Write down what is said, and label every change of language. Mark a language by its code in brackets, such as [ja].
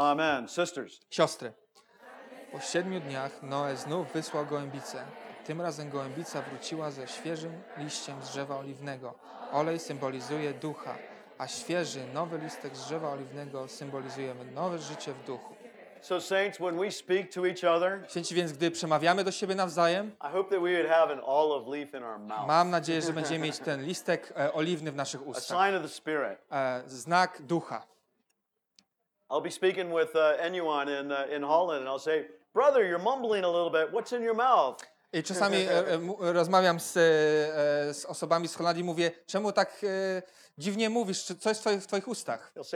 [en] Amen. Sisters. [pl] Siostry. Po 7 dniach Noe znów wysłał gołębicę. Tym razem gołębica wróciła ze świeżym liściem z drzewa oliwnego. Olej symbolizuje ducha, a świeży, nowy listek z drzewa oliwnego symbolizuje nowe życie w duchu. [en] So saints, when we speak to each other, [pl] Święci, więc gdy przemawiamy do siebie nawzajem, [en] I hope that we would have an olive leaf in our mouth. [pl] Mam nadzieję, że będziemy mieć ten listek oliwny w naszych ustach. [en] A sign of the Spirit. [pl] Znak ducha. [en] I'll be speaking with anyone in Holland, and I'll say, "Brother, you're mumbling a little bit. What's in your mouth?" [pl] I czasami rozmawiam z osobami z Holandii i mówię, czemu tak dziwnie mówisz, co jest w twoich ustach?